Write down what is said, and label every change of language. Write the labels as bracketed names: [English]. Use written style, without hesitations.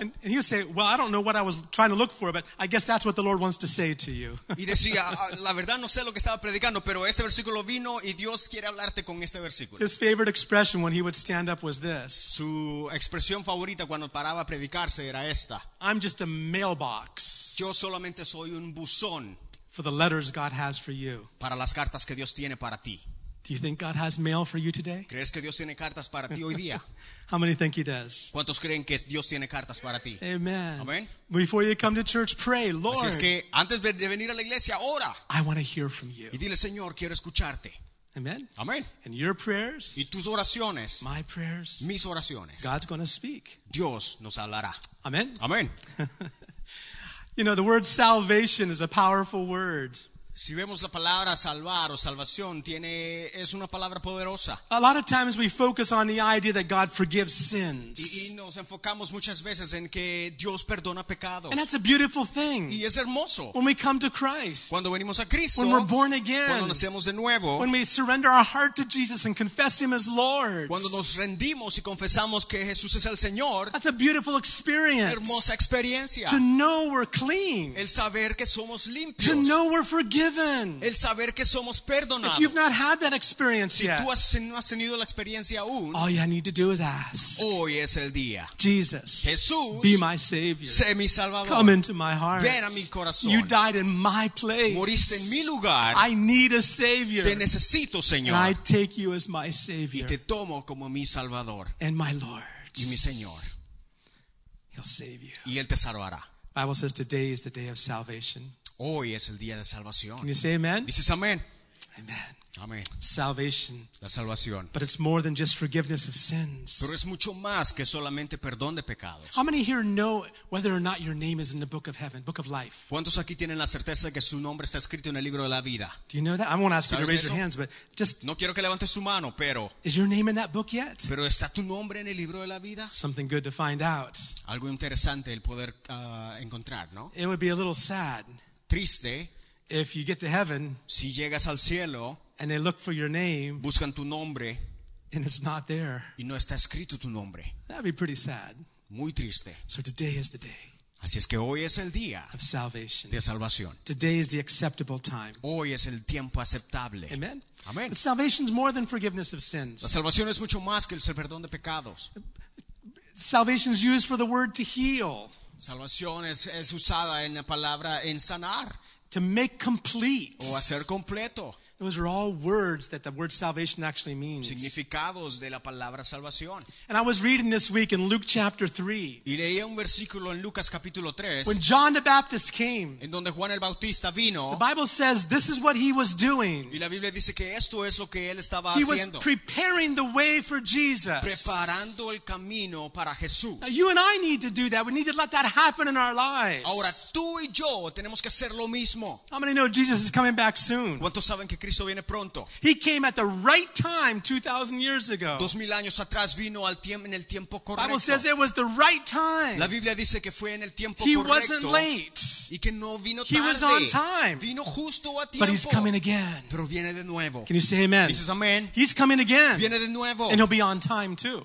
[English] And he would say, "Well, I don't know what I was trying to look for, but I guess that's what the Lord wants to say to you." [Spanish] Y decía, "La verdad no sé lo que estaba predicando, pero este versículo vino y Dios quiere hablarte con este versículo." [English] His favorite expression when he would stand up was this. [Spanish] Su expresión favorita cuando paraba a predicarse era esta. [English] "I'm just a mailbox." [Spanish] Yo solamente soy un buzón. [English] For the letters God has for you. [Spanish] Para las cartas que Dios tiene para ti. [English] Do you think God has mail for you today? [Spanish] ¿Crees que Dios tiene cartas para ti hoy día? [English] How many think he does? [Spanish] ¿Cuántos creen que Dios tiene cartas para ti? [English] Amen. [Spanish] Amen. [English] Before you come to church, pray, Lord. [Spanish] Así es que antes de venir a la iglesia, ora. [English] I want to hear from you. [Spanish] Y dile, Señor, quiero escucharte. [English] Amen. [Spanish] Amen. [English] And your prayers. [Spanish] Y tus oraciones. [English] My prayers. [Spanish] Mis oraciones. [English] God's going to speak. [Spanish] Dios nos hablará. [English] Amen. [Spanish] Amen. [English] You know, the word salvation is a powerful word. [Spanish] Si vemos la palabra salvar o salvación, es una palabra poderosa. [English] A lot of times we focus on the idea that God forgives sins. [Spanish] Y nos enfocamos muchas veces en que Dios perdona pecados. [English] And that's a beautiful thing. [Spanish] Y es hermoso. [English] When we come to Christ. [Spanish] Cuando venimos a Cristo. [English] When we're born again. [Spanish] Cuando nacemos de nuevo. [English] When we surrender our heart to Jesus and confess Him as Lord. [Spanish] Cuando nos rendimos y confesamos que Jesús es el Señor. [English] That's a beautiful experience. [Spanish] Hermosa experiencia. [English] To know we're clean. [Spanish] El saber que somos limpios. [English] To know we're forgiven. [Spanish] El saber que somos perdonados. [English] If you've not had that experience yet, [Spanish] si tú no has tenido la experiencia aún, [English] all you need to do is ask. [Spanish] Hoy es el día. [English] Jesus, [Spanish] Jesús, [English] be my Savior. [Spanish] Sé mi Salvador. [English] Come into my heart. [Spanish] Ven a mi corazón. [English] You died in my place. [Spanish] Moriste en mi lugar. [English] I need a Savior. [Spanish] Te necesito, Señor. [English] And I take you as my Savior. [Spanish] Y te tomo como mi Salvador. [English] And my Lord. [Spanish] Y mi Señor. [English] He'll save you. [Spanish] Y Él te salvará. [English] The Bible says today is the day of salvation. [Spanish] Hoy es el día de salvación. [English] Can you say amen? [Spanish] Dices amén. [English] Amen. [Spanish] Amén. [English] Salvation. [Spanish] La salvación. [English] But it's more than just forgiveness of sins. [Spanish] Pero es mucho más que solamente perdón de pecados. [English] How many here know whether or not your name is in the book of heaven, book of life? [Spanish] ¿Cuántos aquí tienen la certeza de que su nombre está escrito en el libro de la vida? [English] Do you know that? I won't ask you to raise your hands, but just. [Spanish] No quiero que levantes su mano, pero. [English] Is your name in that book yet? [Spanish] Pero está tu nombre en el libro de la vida. [English] Something good to find out. [Spanish] Algo interesante el poder encontrar, ¿no? [English] It would be a little sad. [Spanish] Triste, [English] if you get to heaven, [Spanish] si llegas al cielo, [English] and they look for your name, [Spanish] buscan tu nombre, [English] and it's not there, [Spanish] y no está escrito tu nombre, [English] that'd be pretty sad. [Spanish] Muy triste. [English] So today is the day. [Spanish] Así es que hoy es el día [English] of salvation. [Spanish] De salvación. [English] Today is the acceptable time. [Spanish] Hoy es el tiempo aceptable. [English] Amen. [Spanish] Amen. [English] But salvation is more than forgiveness of sins. [Spanish] La salvación es mucho más que el perdón de pecados. [English] Salvation is used for the word to heal. [Spanish] Salvación es usada en la palabra en sanar. [English] To make complete. [Spanish] O hacer completo. [English] Those are all words that the word salvation actually means. [Spanish] Significados de la palabra salvación. [English] And I was reading this week in Luke chapter 3. [Spanish] Y leía un versículo en Lucas capítulo 3. [English] When John the Baptist came. [Spanish] En donde Juan el Bautista vino. [English] The Bible says this is what he was doing. [Spanish] Y la Biblia dice que esto es lo que él estaba he haciendo. [English] He was preparing the way for Jesus. [Spanish] Preparando el camino para Jesús. [English] Now, you and I need to do that. We need to let that happen in our lives. [Spanish] Ahora tú y yo tenemos que hacer lo mismo. [English] How many know Jesus is coming back soon? [Spanish] ¿Cuántos saben que Cristo viene pronto? [English] He came at the right time 2,000 years ago. [Spanish] 2,000 años atrás vino al tiempo, en el tiempo correcto. [English] Bible says it was the right time. [Spanish] La Biblia dice que fue en el tiempo he correcto. [English] He wasn't late. [Spanish] Y que no vino he tarde. [English] Was on time. [Spanish] Vino justo a tiempo. [English] But he's coming again. [Spanish] Pero viene de nuevo. [English] Can you say amen? He says amen. He's coming again. [Spanish] Viene de nuevo. [English] And he'll be on time too.